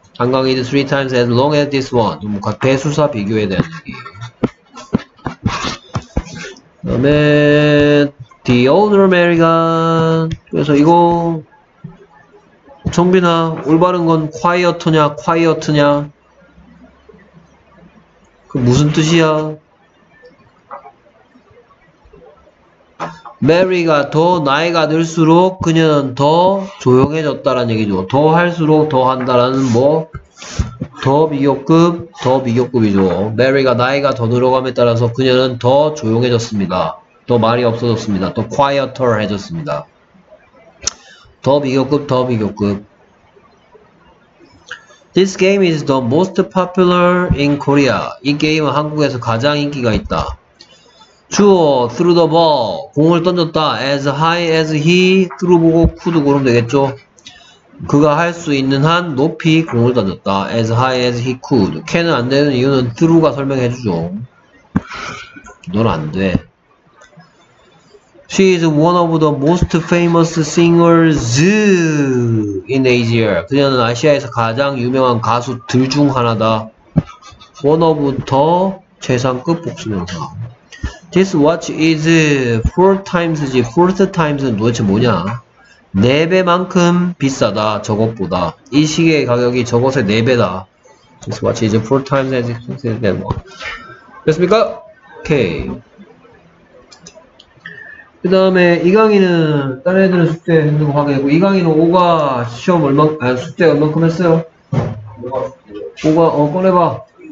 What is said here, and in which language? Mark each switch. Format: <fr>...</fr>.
<en>한강이 three times as long as this one.</en> <ko>배수사 비교에 대한 얘기. 그 다음에</ko> <en>The Old American.</en> <ko>그래서 이거 정빈아 올바른 건 quiet냐 quiet냐 그 무슨 뜻이야? Mary가 더 나이가 들수록 그녀는 더 조용해졌다라는 얘기죠. 더 할수록 더 한다라는 뭐 더 비교급이죠. Mary가 나이가 더 들어감에 따라서 그녀는 더 조용해졌습니다. 더 말이 없어졌습니다. 더 quieter 해졌습니다. 더 비교급.</ko> <en>This game is the most popular in Korea.</en> <ko>이 게임은 한국에서 가장 인기가 있다.</ko> <en>주어, threw the ball.</en> <ko>공을 던졌다.</ko> <en>As high as he threw 보고 could</en> <ko>고르면 되겠죠. 그가 할 수 있는 한 높이 공을 던졌다.</ko> <en>As high as he could.</en> <ko>can 안 되는 이유는 threw가 설명해 주죠. 넌 안 돼.</ko> <en>She is one of the most famous singers in Asia.</en> <ko>그녀는 아시아에서 가장 유명한 가수들 중 하나다.</ko> <en>One of the</en> <ko>최상급 복수명사.</ko> <en>This watch is four times는</en> <ko>도대체 뭐냐? 네 배만큼 비싸다, 저것보다. 이 시계의 가격이 저것의 네 배다.</ko> <en>This watch is four times as expensive as that one.</en> <ko>됐습니까? Okay. 그 다음에 이 강의는 다른 애들은 숙제 했는 거 확인했고 이 강의는 5가 시험 얼마 아니 숙제 얼만큼 했어요? 5가 꺼내봐.</ko>